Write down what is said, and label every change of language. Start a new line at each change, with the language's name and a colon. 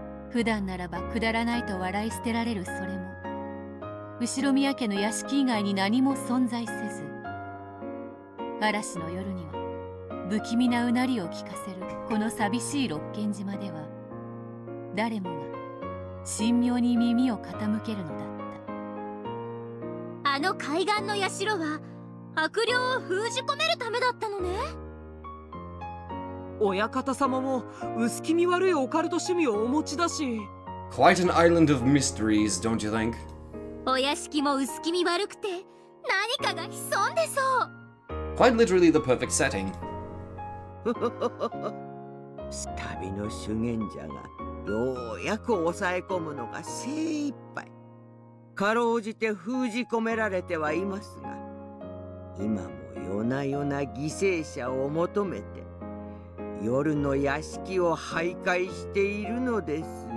Japanese: 普段ならばくだらないと笑い捨てられるそれも、後宮家の屋敷以外に何も存在せず、嵐の夜には不気味なうなりを聞かせるこの寂しい六軒島では、誰もが神妙に耳を傾けるのだった。あの海岸の社は悪霊を封じ込めるためだったのね。親方様も薄気味悪いオカルト趣味をお持ちだし。
English: Quite an island of mysteries, don't you think?
Japanese: お屋敷も薄気味悪くて何かが潜んでそう。
English: Quite literally the perfect setting.
Japanese: 旅の修験者がようやく抑え込むのが精一杯。かろうじて封じ込められてはいますが、今も夜な夜な犠牲者を求めて夜の屋敷を徘徊しているのですよ。